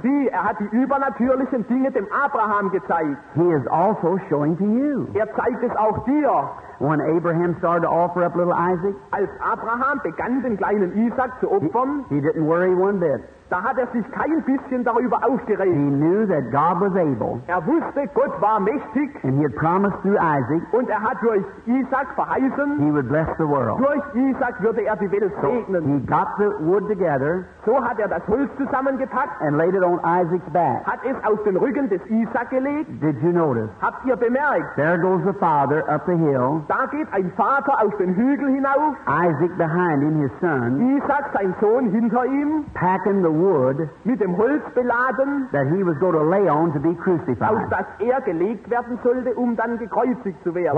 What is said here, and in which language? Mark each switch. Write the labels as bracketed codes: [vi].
[de] Sieh, hat die übernatürlichen Dinge dem Abraham gezeigt. [en] He is also showing to you. [de] Zeigt es auch dir. [en] When Abraham started to offer up little Isaac, [de] als Abraham begann, den kleinen Isaac zu opfern, [en] he didn't worry one bit. [de] Da hat sich kein bisschen darüber aufgeregt. [en] He knew that God was able. [de] Wusste, Gott war mächtig. [en] And he had promised through Isaac. [de] Und hat durch Isaac verheißen. [en] He would bless the world. [de] Durch Isaac würde die Welt segnen. [en] So he got the wood together. [de] So hat das Holz zusammengepackt. [en] And laid it on Isaac's back. [de] Hat es auf den Rücken des Isaac gelegt. [en] Did you notice? [de] Habt ihr bemerkt? [en] There goes the father up the hill. [de] Da geht ein Vater auf den Hügel hinauf. [en] Isaac behind him, his son. [de] Isaac, sein Sohn, hinter ihm. [en] Packing the wood. [de] Mit dem Holz beladen. [en] That he was going to lay on to be crucified. [de] Auf das gelegt werden sollte, dann gekreuzigt zu werden.